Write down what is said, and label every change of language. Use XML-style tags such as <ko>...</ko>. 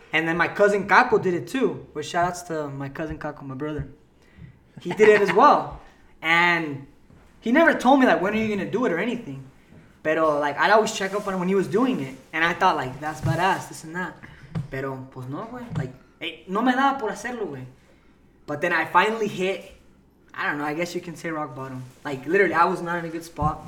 <en>And then my cousin Caco did it, too. With shout-outs to my cousin Caco, my brother. He did it as well. And he never told me, like, when are you going to do it or anything. Pero, like, I'd always check up on him when he was doing it. And I thought, like, that's badass, this and that.</en> <es>Pero, pues no, güey. Like, hey, no me daba por hacerlo, güey.</es> <en>But then I finally hit, I don't know, I guess you can say rock bottom. Like, literally, I was not in a good spot.</en>